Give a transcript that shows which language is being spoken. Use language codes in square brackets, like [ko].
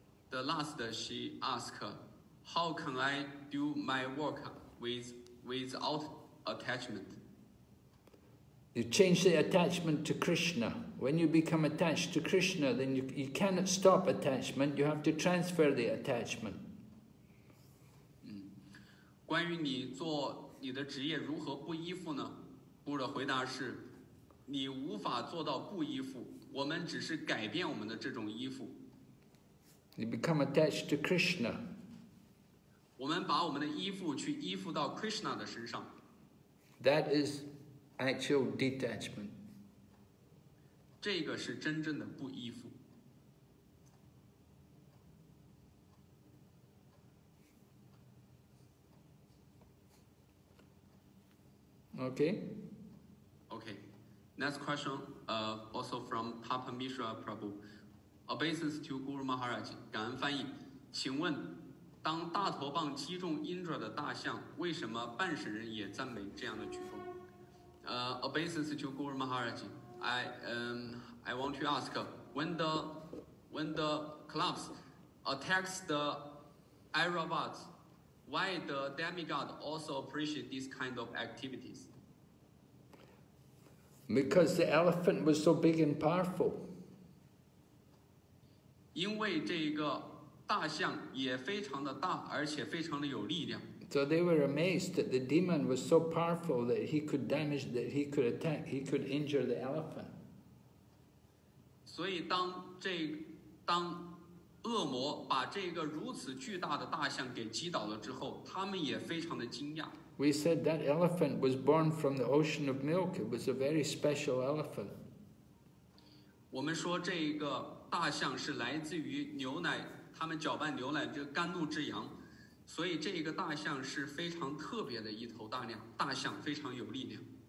[en] The last she asked, how can I do my work without attachment? You change the attachment to Krishna. When you become attached to Krishna, then you cannot stop attachment. You have to transfer the attachment. [zh] 关于你做你的职业如何不依附呢？布的回答是，你无法做到不依附。我们只是改变我们的这种依附。 [en] You become attached to Krishna. [zh] 我们把我们的依附去依附到 Krishna 的身上。 [en] That is. Actual detachment. [zh] 这个是真正的不依附。 [en] Okay. Okay. Next question, also from Papa Mishra Prabhu. Obeisance to Guru Maharaj. [zh] 感恩翻译。请问，当大头棒击中Indra的大象，为什么半神人也赞美这样的举动？ [en] Obeisance to Guru Maharaj. I want to ask, when the clubs attacks the Aravats, why the demigod also appreciate these kind of activities? Because the elephant was so big and powerful. [zh] 因为这个大象也非常的大，而且非常的有力量。 [en] So they were amazed that the demon was so powerful that he could damage, that he could attack, he could injure the elephant. [zh] 所以当这当恶魔把这个如此巨大的大象给击倒了之后，他们也非常的惊讶。 [en] We said that elephant was born from the ocean of milk. It was a very special elephant. [zh] 我们说这个大象是来自于牛奶，他们搅拌牛奶这个甘露之羊，所以这个大象是非常特别的一头大象，大象非常有力量。